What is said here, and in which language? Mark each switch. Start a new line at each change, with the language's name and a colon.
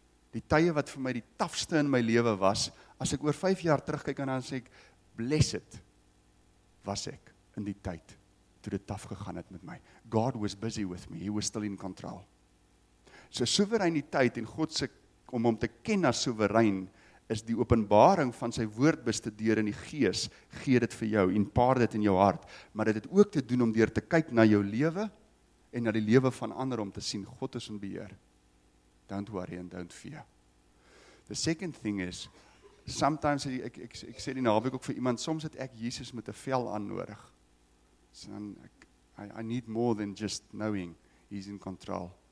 Afrikaans: Die tye wat vir my die tafste in my lewe was, as ek oor 5 jaar terugkyk en dan sê ek, blessed was ek in die tyd toe dit taf gegaan het met my.
English: God was busy with me, he was still in control.
Afrikaans: So soewereiniteit en God se, om hom te ken as soewerein, is die openbaring van sy woord bestudeer in die gees, gee dit vir jou, impart dit in jou hart. Maar dit het ook te doen om deur te kyk na jou lewe en na die lewe van ander om te sien, God is in beheer.
English: Don't worry and don't fear. The second thing is, sometimes,
Afrikaans: ek sê die naweek ook vir iemand, soms het ek Jesus met 'n vel aan nodig.
English: So, I need more than just knowing he's in control.